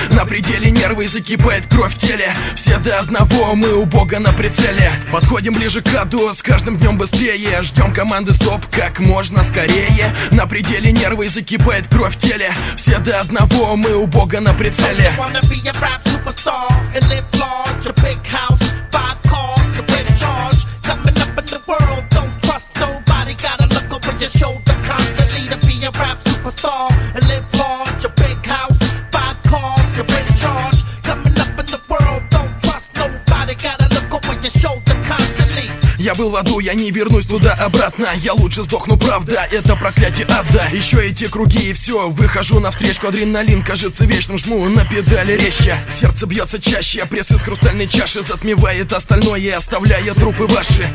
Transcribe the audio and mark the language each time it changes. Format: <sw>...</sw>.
<ru>На пределе нервы закипает кровь в теле. Все до одного, мы у Бога на прицеле. Подходим ближе к аду, с каждым днем быстрее. Ждем команды стоп, как можно скорее. На пределе нервы закипает кровь в теле. Все до одного, мы у Бога на прицеле.</ru> <en>So you wanna be a rap superstar and live large, a big house, five cars, you're in charge, coming up in the world, don't trust nobody, gotta look over your shoulder constantly. To be a rap superstar and live large, a big house, five cars, you're in charge, coming up in the world, don't trust nobody, gotta look over your shoulder constantly.</en> <ru>Я был в аду, я не вернусь туда обратно. Я лучше сдохну, правда, это проклятие ада. Еще эти круги и все, выхожу навстречу. Адреналин кажется вечным, жму на педали резче. Сердце бьется чаще, пресс из хрустальной чаши затмевает остальное, оставляя трупы ваши.</ru>